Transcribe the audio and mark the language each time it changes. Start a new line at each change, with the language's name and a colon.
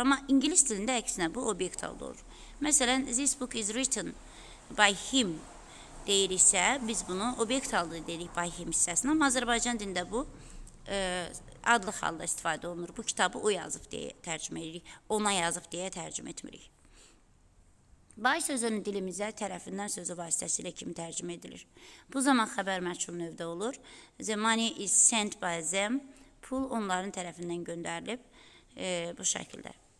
Azerbaijani: Amma ingilis dilində əksinə bu obyekt halda olur. Məsələn,
English: this book is written by him
Azerbaijani: deyir isə, biz bunu obyekt halda dedik
English: by him
Azerbaijani: hissəsində. Amma Azərbaycan dilində bu adlıq halda istifadə olunur. Bu kitabı o yazıb deyə tərcümə edirik, ona yazıb deyə tərcümə etmirik. By sözünün dilimizə tərəfindən sözü vasitəsilə kimi tərcümə edilir. Bu zaman xəbər məçhul növdə olur.
English: The money is sent by them.
Azerbaijani: Pul onların tərəfindən göndərilib bu şəkildə.